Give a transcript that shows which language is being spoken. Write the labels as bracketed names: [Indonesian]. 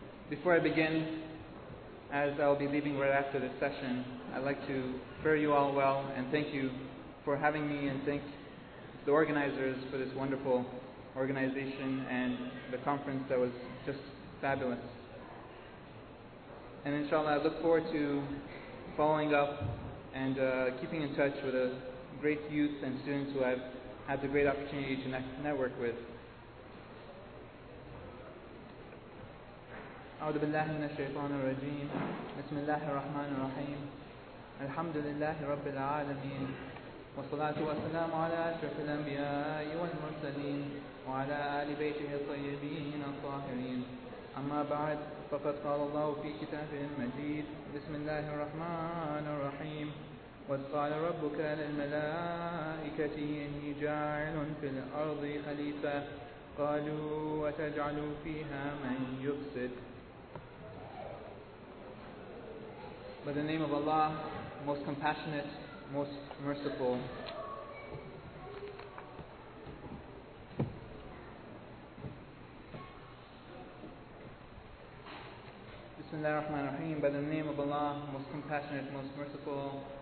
[English] Before I begin, as I'll be leaving right after this session, I'd like to fare you all well and thank you for having me, and thank the organizers for this wonderful organization and the conference that was just fabulous. And inshallah, I look forward to following up and keeping in touch with the great youth and students who I've had the great opportunity to network with. [Arabic] أعوذ بالله من الشيطان الرجيم بسم الله الرحمن الرحيم الحمد لله رب العالمين والصلاة والسلام على أشرف الأنبياء والمرسلين وعلى آل بيته الطيبين الطاهرين أما بعد فقد قال الله في كتابه المجيد بسم الله الرحمن الرحيم وقال ربك للملائكة إني جاعل في الأرض خليفة قالوا وتجعل فيها من يفسد. [English] By the name of Allah, most compassionate, most merciful. Bismillah ar-Rahman ar-Rahim. By the name of Allah, most compassionate, most merciful.